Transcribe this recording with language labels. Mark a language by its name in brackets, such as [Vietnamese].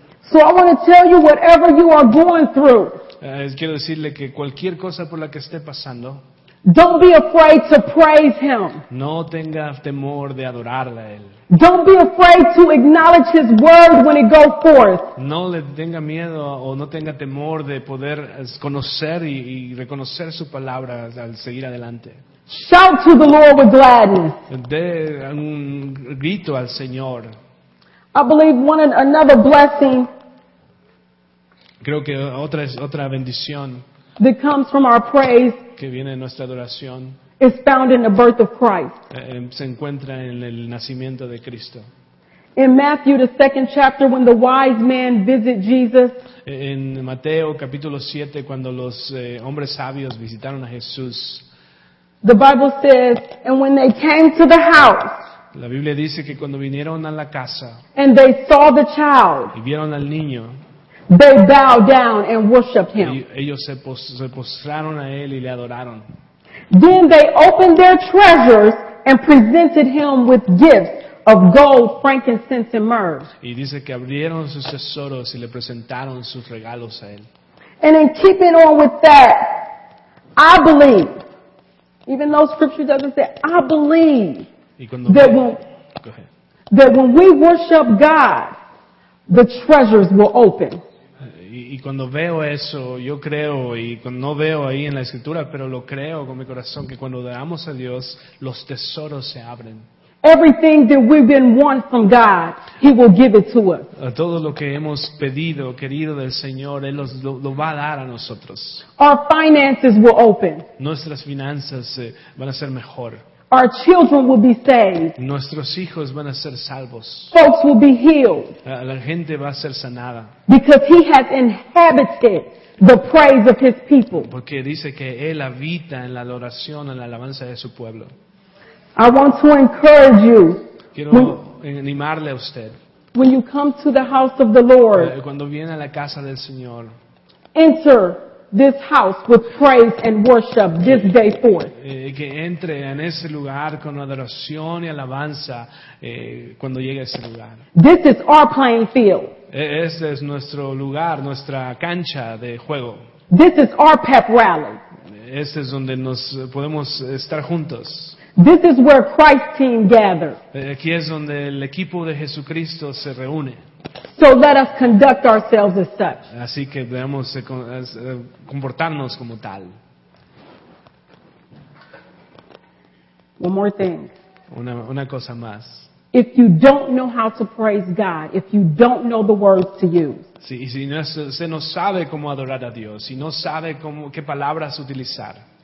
[English] So I want to tell you whatever you are going through. [Spanish] Quiero decirle que cualquier cosa por la que esté pasando. [English] Don't be afraid to praise Him. [Spanish] No tenga temor de adorarle a Él. [English] Don't be afraid to acknowledge His word when it goes forth. [Spanish] No le tenga miedo o no tenga temor de poder conocer y reconocer su palabra al seguir adelante. [English] Shout to the Lord with gladness. [Spanish] De un grito al Señor. [English] I believe one another blessing. [Spanish] Creo que otra bendición. [English] That comes from our praise. [Spanish] Que viene de nuestra adoración. [English] Is found in the birth of Christ. [Spanish] Se encuentra en el nacimiento de Cristo. [English] In Matthew, the second chapter, when the wise man visit Jesus. [Spanish] En Mateo capítulo 7, cuando los hombres sabios visitaron a Jesús. [English] The Bible says, and when they came to the house. [Spanish] La Biblia dice que cuando vinieron a la casa. [English] And they saw the child. [Spanish] Y vieron al niño. [English] They bowed down and worshiped him. [Spanish] Ellos se postraron a él y le adoraron. [English] Then they opened their treasures and presented him with gifts of gold, frankincense, and myrrh. [Spanish] Y dice que abrieron sus tesoros y le presentaron sus regalos a él. [English] And in keeping on with that, I believe, even though scripture doesn't say, I believe that when we worship God, the treasures will open. [Spanish] Y cuando veo eso, yo creo, y no veo ahí en la Escritura, pero lo creo con mi corazón, que cuando damos a Dios, los tesoros se abren. [English] Everything that we've been want from God, He will give it to us. [Spanish] Todo lo que hemos pedido, querido del Señor, Él lo va a dar a nosotros. [English] Our finances will open. [Spanish] Nuestras finanzas van a ser mejor. [English] Our children will be saved. [Spanish] Nuestros hijos van a ser salvos. [English] Folks will be healed. [Spanish] La gente va a ser sanada. [English] Because He has inhabited the praise of His people. [Spanish] Porque dice que Él habita en la adoración, en la alabanza de su pueblo. [English] I want to encourage you. [Spanish] Quiero animarle a usted. [English] When you come to the house of the Lord. [Spanish] Cuando viene a la casa del Señor. [English] Enter this house with praise and worship this day forth. [Spanish] Que entre en ese lugar con adoración y alabanza cuando llegue a ese lugar. [English] This is our playing field. [Spanish] Este es nuestro lugar, nuestra cancha de juego. [English] This is our pep rally. [Spanish] Este es donde nos podemos estar juntos. [English] This is where Christ's team gathers. [Spanish] Aquí es donde el equipo de Jesucristo se reúne. [English] So let us conduct ourselves as such. [Spanish] Así que debemos comportarnos como tal. [English] One more thing. [Spanish] Una cosa más. [English] If you don't know how to praise God, if you don't know the words to use. [Spanish] Sí, y si no, se no sabe cómo adorar a Dios, si no sabe cómo, qué palabras utilizar.